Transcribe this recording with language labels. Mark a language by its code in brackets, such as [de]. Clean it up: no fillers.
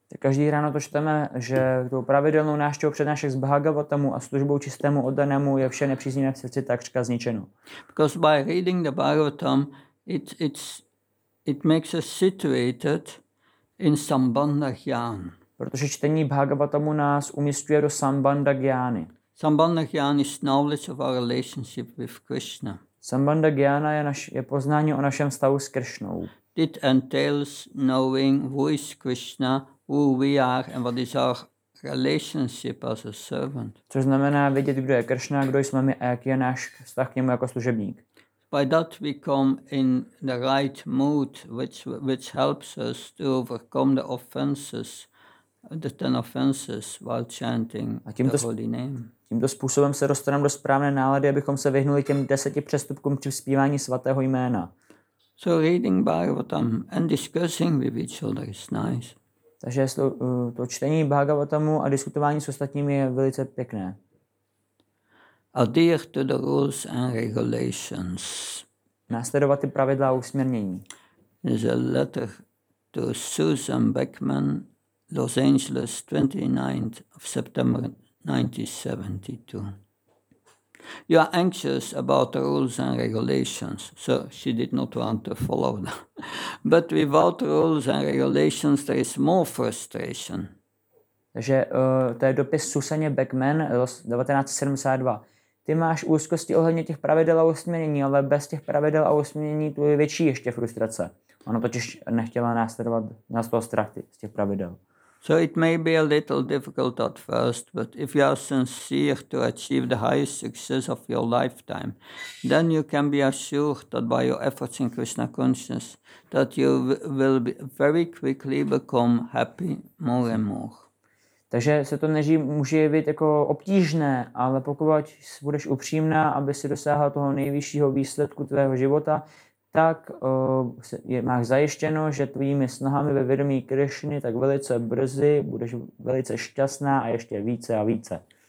[cs] Každý ráno to čteme, že tou pravidelnou návštěvou přednášek z Bhagavatamu a službou čistému oddanému je vše nepříznivé v srdci takřka zničeno. [en] Because by reading the Bhagavatam, it makes us situated in Sambandha Gyan. [cs] Protože čtení Bhagavatamu nás umístuje do Sambandha Gyány. [en] Sambandha Gyan is knowledge of our relationship with Krishna. [cs] Sambandha Gyana je poznání o našem stavu s Krishnou. [en] It entails knowing who is Krishna, who we are, and what is our relationship as a servant. [cs] Což znamená vědět, kdo je Krishna, kdo jsme my a jaký je náš vztah k němu jako služebník. [en] By that we come in the right mood, which helps us to overcome the offenses. The ten offenses while chanting the holy name. [cs] Tímto způsobem se dostaneme do správné nálady, abychom se vyhnuli těm 10 přestupkům při zpívání svatého jména. [en] So reading Bhagavatam and discussing with each other is nice. [cs] Takže to čtení Bhagavatamu a diskutování s ostatními je velice pěkné. [en] Adhere to the rules and regulations. [cs] Následovat ty pravidla a usměrnění. [en] There's a letter to Susan Beckman, Los Angeles, 29th of September 1972. You are anxious about the rules and regulations, so she did not want to follow them. But without rules and regulations, there is more frustration. [cs] Takže to je dopis Susaně Beckman, 1972. Ty máš úzkosti ohledně těch pravidel a usměrnění, ale bez těch pravidel a usměrnění tu je větší ještě frustrace. Ona totiž nechtěla následovat na toho strach z těch pravidel. [en] So it may be a little difficult at first, but if you are sincere to achieve the highest success of your lifetime, then you can be assured that by your efforts in Krishna consciousness, that you will very quickly become happy more and more. [cs] Takže se to může jevit jako obtížné, ale pokud budeš upřímná, aby si dosáhla toho nejvyššího výsledku tvého života, tak máš zajištěno, že tvými snahami ve vědomí Krišny tak velice brzy budeš velice šťastná a ještě více a více.